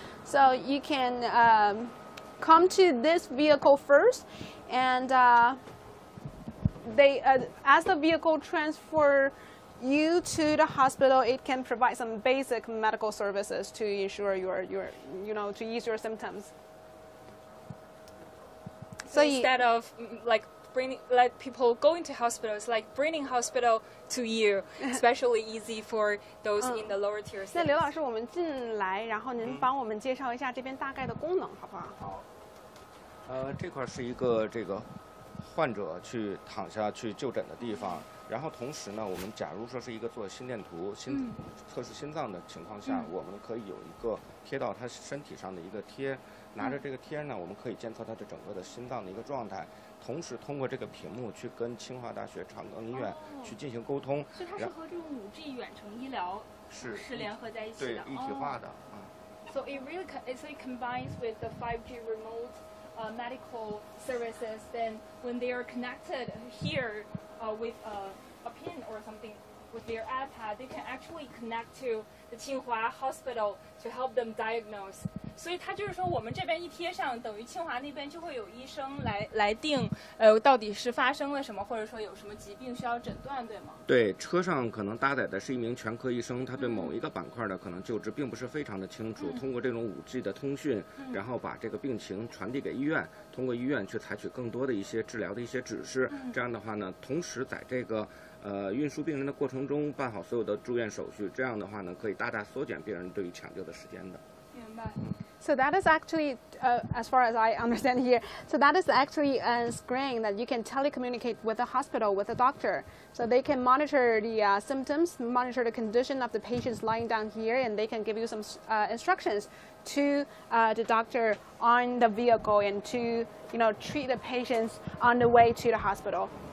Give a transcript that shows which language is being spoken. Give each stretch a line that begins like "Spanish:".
English: So you can come to this vehicle first, and as the vehicle transfer you to the hospital, it can provide some basic medical services to ensure your you know, to ease your symptoms. So instead of like people going to hospital, it's like bringing hospital to you, especially easy for those in the lower tier cities.
Chinese: 那刘老师，我们进来，然后您帮我们介绍一下这边大概的功能，好不好？好。这块是一个这个。患者去躺下去就诊的地方，然后同时呢，我们假如说是一个做心电图、测试心脏的情况下，我们可以有一个贴到他身体上的一个贴，拿着这个贴呢，我们可以监测他的整个的心脏的一个状态，同时通过这个屏幕去跟清华大学长庚医院去进行沟通。所以它是和这种5G 远程医疗是联合在一起的，对，一体化的。
English: So it really combines with the 5G remote. Medical services, then when they are connected here with a pin or something with their iPad, they can actually connect to the Tsinghua Hospital to help them diagnose.
Chinese: 所以它就是说我们这边一贴上，等于清华那边就会有医生来定到底是发生了什么，或者说有什么疾病需要诊断，对吗？对，车上可能搭载的是一名全科医生，他对某一个板块的可能救治并不是非常的清楚，通过这种 5G 的通讯，然后把这个病情传递给医院，通过医院去采取更多的一些治疗的一些指示，这样的话呢，同时在这个运输病人的过程中办好所有的住院手续，这样的话呢，可以大大缩减病人对于抢救的时间的。
English: So that is actually, as far as I understand here, so that is actually a screen that you can telecommunicate with the hospital, with the doctor. So they can monitor the symptoms, monitor the condition of the patients lying down here, and they can give you some instructions to the doctor on the vehicle and to, you know, treat the patients on the way to the hospital.